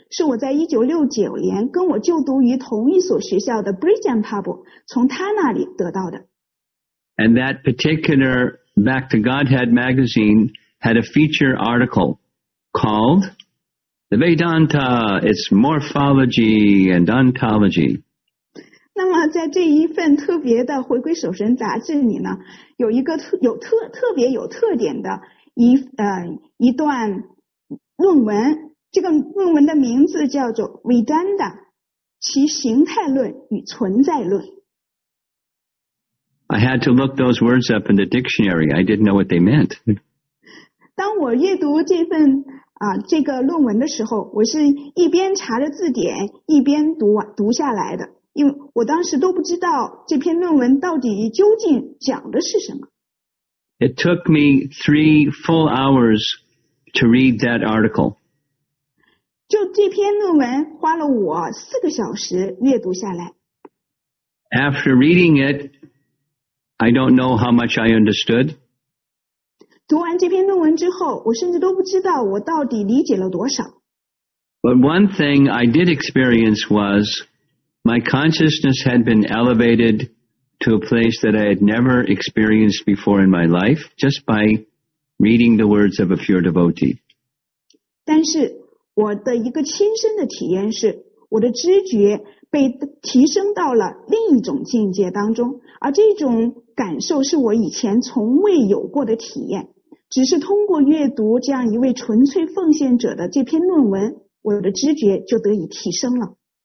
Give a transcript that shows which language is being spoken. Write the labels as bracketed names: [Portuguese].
[Chinese] 是我在1969年跟我就读于同一所学校的 Brigham Pub 从他那里得到的。 [English] And that particular Back to Godhead magazine had a feature article called The Vedanta, Its Morphology and Ontology. [Chinese] 那么在这一份特别的回归守神杂志里呢，有一个特别有特点的一段论文，这个论文的名字叫做 Vedanta, 其形态论与存在论。 [English] I had to look those words up in the dictionary. I didn't know what they meant. [Chinese] 当我阅读这份这个论文的时候，我是一边查着字典，一边读下来的，因为我当时都不知道这篇论文到底究竟讲的是什么。 [English] It took me 3 full hours to read that article. [Chinese] 就这篇论文花了我4个小时阅读下来。 [English] After reading it,I don't know how much I understood. [Chinese] 读完这篇论文之后，我甚至都不知道我到底理解了多少。 [English] But one thing I did experience was my consciousness had been elevated to a place that I had never experienced before in my life just by reading the words of a pure devotee. [Chinese] 但是我的一个亲身的体验是，我的知觉被提升到了另一种境界当中，而这种感受是我以前从未有过的体验，只是通过阅读这样一位纯粹奉献者的这篇论文，我的知觉就得以提升了。